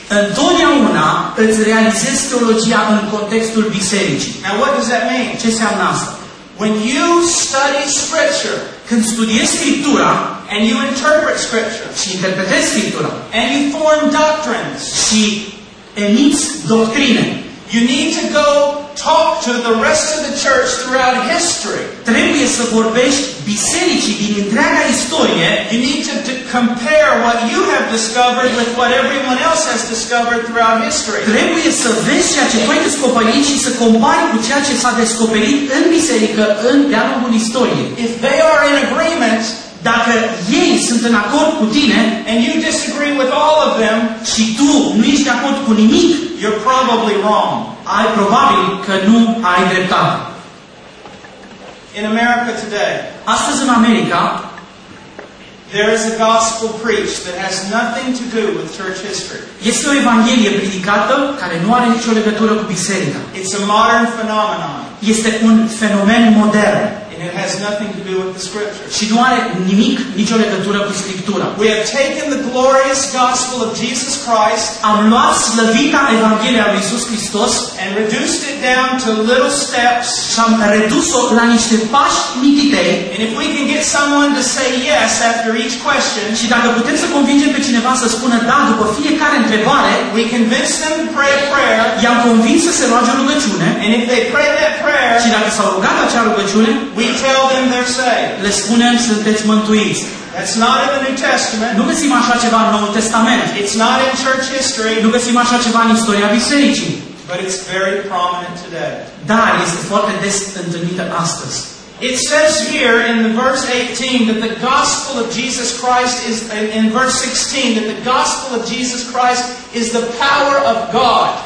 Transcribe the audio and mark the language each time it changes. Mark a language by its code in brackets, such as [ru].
[ro] Întotdeauna îți realizezi teologia în contextul bisericii. [en] Now what does that mean? [ro] Ce înseamnă asta? [en] When you study scripture, [ro] când studiezi scriptura, [en] and you interpret scripture, [ro] și interpretezi scriptura, [en] and you form doctrines, [ro] și emiți doctrine, [en] you need to go talk to the rest of the church throughout history. [ro] Trebuie să vorbești bisericii din întreaga istorie. [en] You need to compare what you have discovered with what everyone else has discovered throughout history. [ro] Trebuie să vezi ceea ce tu ai descoperit și să compari cu ceea ce s-a descoperit în biserică în de-a lungul istoriei. [en] If they are in agreement, [ro] dacă ei sunt în acord cu tine, [en] and you disagree with all of them, [ro] și tu nu ești de acord cu nimic, [en] you're probably wrong. [ro] Ai probabil că nu ai dreptate. [en] In America today, [ro] astăzi în America, [en] there is a gospel preached that has nothing to do with church history. [ro] Este o evanghelie predicată care nu are nicio legătură cu biserica. [en] It's a modern phenomenon. [ro] Este un fenomen modern. [en] And it has nothing to do with the scripture. [ro] Și nu are nimic, nicio legătură cu scriptura. [en] We have taken the glorious gospel of Jesus Christ, [ro] am luat slăvita Evanghelia lui Iisus Hristos, [en] and reduced it down to little steps, [ro] și am redus-o la niște pași mititei. [en] And if we can get someone to say yes after each question, [ro] și dacă putem să convingem pe cineva să spună da după fiecare întrebare, [en] we convince them to pray a prayer, [ro] i-am convins să se roage o rugăciune. [en] And if they pray that prayer, [ro] și dacă s-au rugat acea rugăciune, [en] we tell them they're saved. [ro] Le spunem sunteți mântuiți. [en] That's not in the New Testament. [ro] Nu găsim așa ceva în Noul Testament. [en] It's not in church history. [ro] Nu găsim așa ceva în istoria bisericii. [en] But it's very prominent today. [ro] Da, este foarte des întâlnită astăzi. [en] It says here in the verse 18 that the gospel of Jesus Christ is in verse 16 that the gospel of Jesus Christ is the power of God.